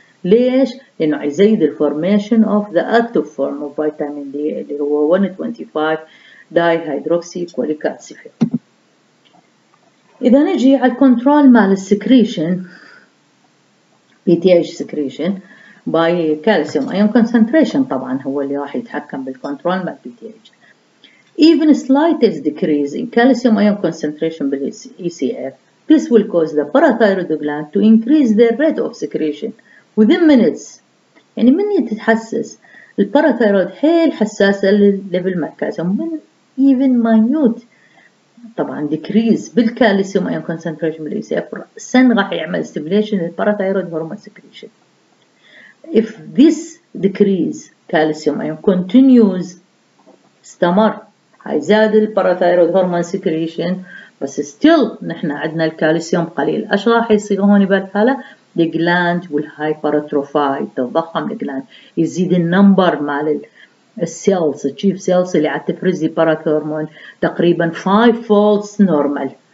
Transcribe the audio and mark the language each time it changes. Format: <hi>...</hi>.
<ar>ليش؟ لأنه يزيد الفورميشن</ar> <en>of the active form of vitamin D</en> <ar>اللي هو 125 dihydroxycholecalciferol. إذا نجي على control مال السكريشن</ar> <en>PTH secretion by calcium ion concentration</en> <ar>طبعا هو اللي راح يتحكم بالcontrol مال PTH.</ar> <en>Even slightest decrease in calcium ion concentration بالECF this will cause the parathyroid gland to increase their rate of secretion within minutes.</en> <ar>يعني من يتحسس الباراثيرويد حيل حساسة لليفل الكالسيوم من</ar> <en>even minute</en> <ar>طبعا decrease بالكالسيوم</ar> <en>ion concentration</en> <ar>بالECF سن راح يعمل stimulation للباراثيرويد هرمون secretion.</ar> <en>If this decrease calcium ion continues</en> <ar>استمر هيزاد الباراثيرويد هرمون secretion بس</ar> <en>still</en> <ar>نحن عندنا الكالسيوم قليل ايش راح يصير هون بالحالة؟</ar> <en>The gland will hypertrophy</en> <ar>تضخم</ar> <en>the gland</en> <ar>يزيد النمبر مال السيلز</ar> <en>chief cells</en> <ar>اللي عتفرز باراثورمون تقريبا</ar> <en>5 folds normal.</en>